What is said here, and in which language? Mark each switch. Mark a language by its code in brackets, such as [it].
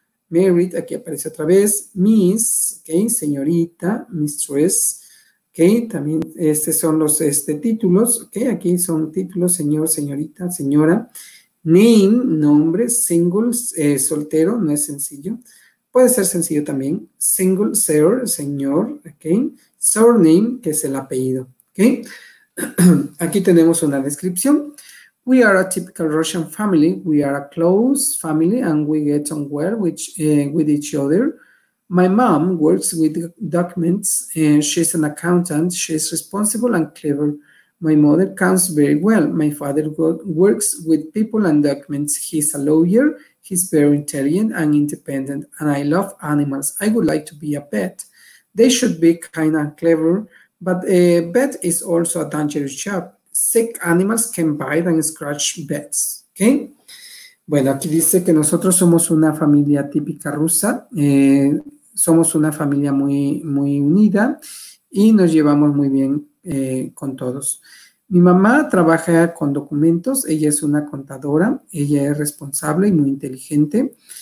[es] married, aquí aparece otra vez, miss, okay, señorita, mistress, okay, también estos son los títulos, okay, aquí son títulos, señor, señorita, señora, name, nombre, single, soltero, no es sencillo. Puede ser sencillo también, single, sir, señor, okay, surname, que es el apellido, okay. Aquí tenemos una descripción. [en] We are a typical Russian family. We are a close family and we get on well with each other. My mom works with documents and she's an accountant. She's responsible and clever. My mother counts very well. My father works with people and documents. He's a lawyer. He's very intelligent and independent, and I love animals. I would like to be a pet. They should be kind and clever, but a pet is also a dangerous job. Sick animals can bite and scratch pets. Okay? [es] Bueno, aquí dice que nosotros somos una familia típica rusa. Somos una familia muy, muy unida y nos llevamos muy bien con todos. Mi mamá trabaja con documentos, ella es una contadora, ella es responsable y muy inteligente.